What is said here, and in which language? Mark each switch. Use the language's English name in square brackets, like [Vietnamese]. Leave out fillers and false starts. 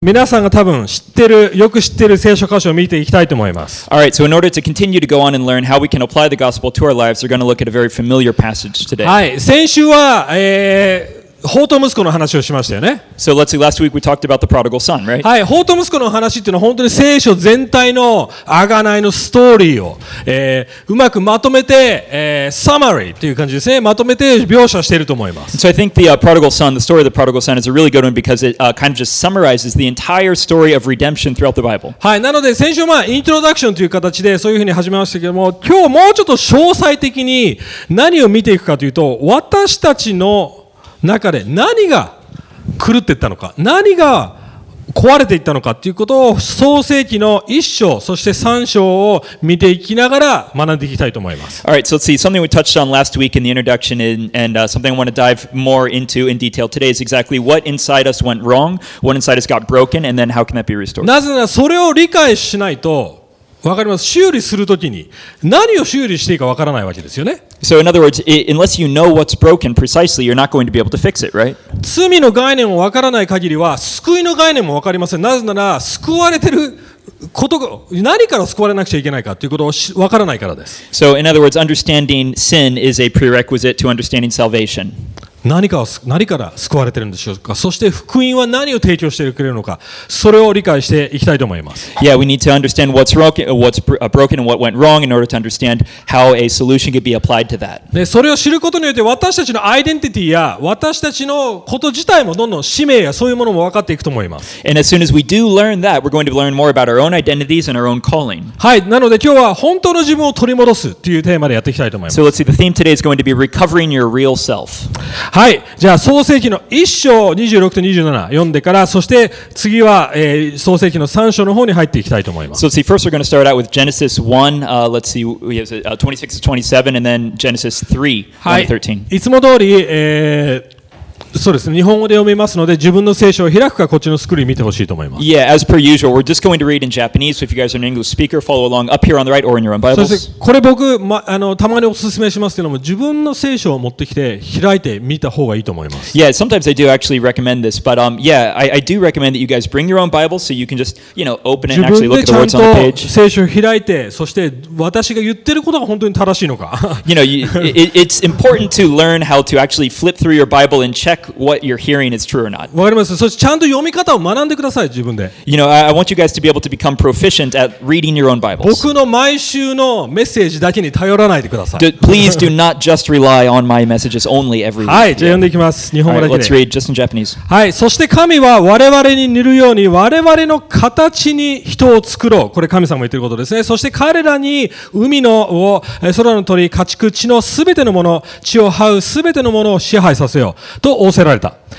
[Japanese] 皆さんが多分知ってる、よく知ってる聖書箇所を見ていきたいと思います。 [English] All right, so in order to continue to go on and learn how we can apply the gospel to our lives, we're going to look at a very familiar passage today. [Japanese] はい、先週は、放蕩息子の話をしましたよね。 [English] So let's see, last week we talked about the prodigal son, right? [Japanese] はい、放蕩息子の話っていうのは本当に聖書全体の贖いのストーリーを、うまくまとめて、summary っていう感じですね。まとめて描写していると思います。 [English] So I think the prodigal son, the story of the prodigal son is a really good one because it kind of just summarizes the entire story of redemption throughout the Bible. [Japanese] はい、なので先週はまあ、イントロダクションという形でそういうふうに始めましたけども、今日もうちょっと詳細的に何を見ていくかというと、私たちの中で何が狂っていったのか、何が壊れていったのかということを創世記の1章そして3章を見ていきながら学んでいきたいと思います。 [English] All right, so let's see. Something we touched on last week in the introduction, and something I want to dive more into in detail today is exactly what inside us went wrong, what inside us got broken, and then how can that be restored? [Japanese] なぜならそれを理解しないと。わかります。修理するときに何を修理していいかわからないわけですよね。 [English] So in other words, unless you know what's broken precisely, you're not going to be able to fix it, right? [Japanese] 罪の概念をわからない限りは救いの概念もわかりません。なぜなら救われてることが何から救われなくちゃいけないかということをわからないからです。 [English] So in other words, understanding sin is a prerequisite to understanding salvation. [Japanese] 何から救われているんでしょうか。そして福音は何を提供してくれるのか。それを理解していきたいと思います。 [English] Yeah, we need to understand what's broken, and what went wrong in order to understand how a solution could be applied to that. [Japanese] で、それを知ることによって私たちのアイデンティティや私たちのこと自体もどんどん使命やそういうものも分かっていくと思います。 [English] And as soon as we do learn that, we're going to learn more about our own identities and our own calling. [Japanese] はい、なので今日は本当の自分を取り戻すというテーマでやっていきたいと思います。 [English] So let's see, the theme today is going to be recovering your real self. [Japanese] はい、じゃあ創世記の1章26と27読んでから、そして次は、創世記の3章の方に入っていきたいと思います。 [English] So see, first we're going to start out with Genesis 1, let's see, we have 26 to 27, and then Genesis 3, 1-13. [Japanese] はい、いつも通り、そうですね、日本語で読みますので、自分の聖書を開くか、こっちのスクリーン見てほしいと思います。 [English] Yeah, as per usual, we're just going to read in Japanese, so if you guys are an English speaker, follow along up here on the right or in your own Bibles. [Japanese] そしてこれ僕、ま、たまにお勧めしますけども、自分の聖書を持ってきて、開いてみた方がいいと思います。 [English] Yeah, sometimes I do actually recommend this, but yeah, I do recommend that you guys bring your own Bible, so you can just, you know, open it and actually look at the words on the page. [Japanese] 自分でちゃんと聖書を開いて、そして私が言ってることが本当に正しいのか。 [English] You know, it's important to learn how to actually flip through your Bible and checkWhat you're hearing is true or not. [Japanese] わかります。そしてちゃんと読み方を学んでください、自分で。 [English] You know, I want you guys to be able to become proficient at reading your own Bibles. [Japanese] 僕の毎週のメッセージだけに頼らないでください。 [English] Please do not just rely on my messages only every week. [Japanese] はい、じゃあ読んでいきます。日本語だけで。 [English] Let's read just in Japanese. [Japanese] はい、そして神は我々に似るように我々の形に人を作ろう。これ神様も言ってることですね。そして彼らに海の空の鳥、家畜、地のすべてのもの、地を這うすべてのものを支配させようと。仰せられた。